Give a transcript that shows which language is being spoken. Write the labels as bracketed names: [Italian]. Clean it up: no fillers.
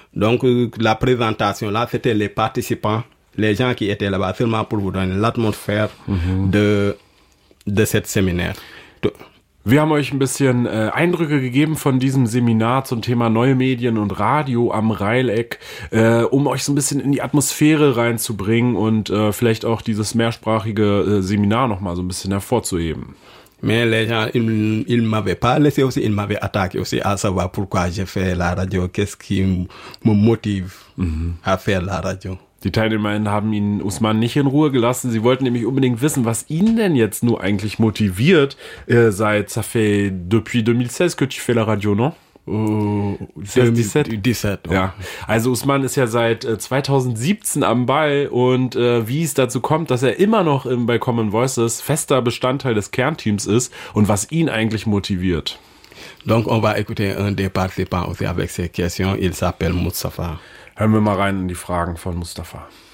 [French] Donc la présentation là, c'était les participants, les gens qui étaient là-bas seulement pour vous donner l'atmosphère de cette séminaire. [German] Wir haben euch ein bisschen Eindrücke gegeben von diesem Seminar zum Thema neue Medien und Radio am Raelec, um euch so ein bisschen in die Atmosphäre reinzubringen und vielleicht auch dieses mehrsprachige Seminar nochmal so ein bisschen hervorzuheben. [French] Mais les gens, ils m'avaient pas laissé aussi, ils m'avaient attaqué aussi à savoir pourquoi j'ai fait la radio, qu'est-ce qui me motive à faire la radio. [German] Die TeilnehmerInnen haben ihn Ousmane nicht in Ruhe gelassen. Sie wollten nämlich unbedingt wissen, was ihn denn jetzt nur eigentlich motiviert. [French] Seit ça fait depuis 2016 que tu fais la radio, non? 2017. [German] Ja. Also Ousmane ist ja seit 2017 am Ball und wie es dazu kommt, dass er immer noch bei Common Voices fester Bestandteil des Kernteams ist und was ihn eigentlich motiviert. [French] Donc on va écouter un des participants aussi avec ses questions. Il s'appelle Moustapha. [German] Hören wir mal rein in die Fragen von Mustafa.